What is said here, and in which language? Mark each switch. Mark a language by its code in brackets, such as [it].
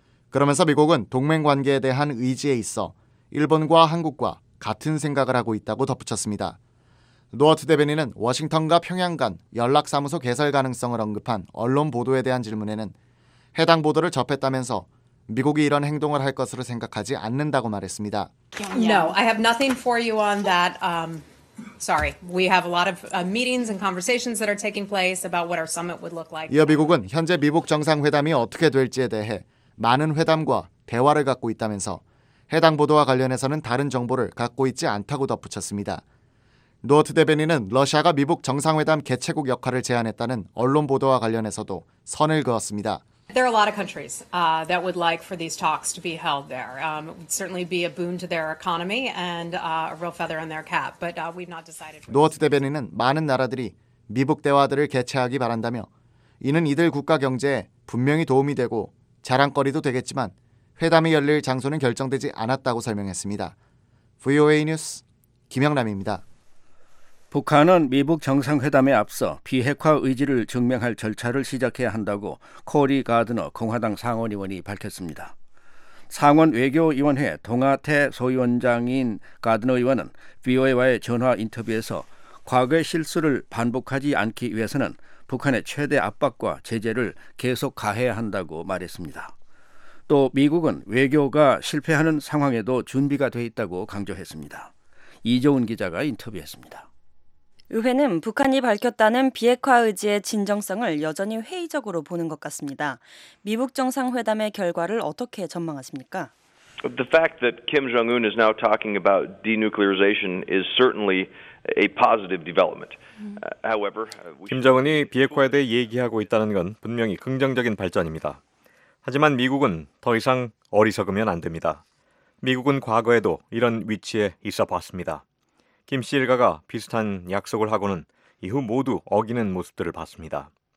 [ko] 그러면서 미국은 동맹관계에 대한 의지에 있어 일본과 한국과 같은 생각을 하고 있다고 덧붙였습니다. 노어트 대변인은 워싱턴과 평양 간 연락사무소 개설 가능성을 언급한 언론 보도에 대한 질문에는 해당 보도를 접했다면서 미국이 이런 행동을 할 것으로 생각하지 않는다고 말했습니다. [en] No, I have nothing for you on that. Sorry, we have a lot of meetings and conversations that are taking place about what our summit would look like. [ko] 이어 미국은 현재 미북 정상회담이 어떻게 될지에 대해 많은 회담과 대화를 갖고 있다면서 해당 보도와 관련해서는 다른 정보를 갖고 있지 않다고 덧붙였습니다. 노어트 대변인은 러시아가 미북 정상회담 개최국 역할을 제안했다는 언론 보도와 관련해서도 선을 그었습니다. [en] There are a lot of countries that would like for these talks to be held there. It would certainly be a boon to their economy and a real feather in their cap. But we've not decided. [ko] 노어트 대변인은 많은 나라들이 미북 대화들을 개최하기 바란다며 이는 이들 국가 경제에 분명히 도움이 되고 자랑거리도 되겠지만 회담이 열릴 장소는 결정되지 않았다고 설명했습니다. VOA 뉴스 김영남입니다. 북한은 미북 정상회담에 앞서 비핵화 의지를 증명할 절차를 시작해야 한다고 코리 가드너 공화당 상원의원이 밝혔습니다. 상원 외교위원회 동아태 소위원장인 가드너 의원은 VOA와의 전화 인터뷰에서 과거의 실수를 반복하지 않기 위해서는 북한의 최대 압박과 제재를 계속 가해야 한다고 말했습니다. 또 미국은 외교가 실패하는 상황에도 준비가 돼 있다고 강조했습니다. 이종훈 기자가 인터뷰했습니다. 의회는 북한이 밝혔다는 비핵화 의지의 진정성을 여전히 회의적으로 보는 것 같습니다. 미북 정상회담의 결과를 어떻게 전망하십니까? [en] The fact that Kim Jong-un is now talking about denuclearization is certainly a positive development. However, [ko] 김정은이 비핵화에 대해 얘기하고 있다는 건 분명히 긍정적인 발전입니다. 하지만 미국은 더 이상 어리석으면 안 됩니다. 미국은 과거에도 이런 위치에 있어 봤습니다. 김 씨 일가가 비슷한 약속을 하고는 이후 모두 어기는 모습들을 봤습니다.